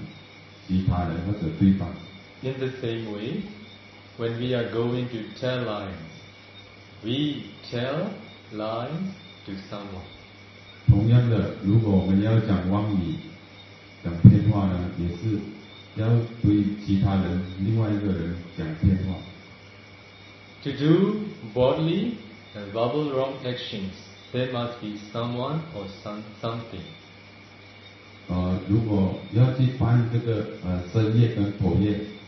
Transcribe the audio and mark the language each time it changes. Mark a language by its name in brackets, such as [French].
[Chinese] 当我们要犯这个邪淫的时候呢，我们要犯这个邪淫跟其他人或者对方. [English] In the same way, when we are going to tell lies, we tell lies to someone. [Chinese] 同样的，如果我们要讲妄语、讲骗话呢，也是要对其他人、另外一个人讲骗话. [English] To do bodily and verbal wrong actions, there must be someone or something. [Chinese] 如果要去犯这个生业跟口业。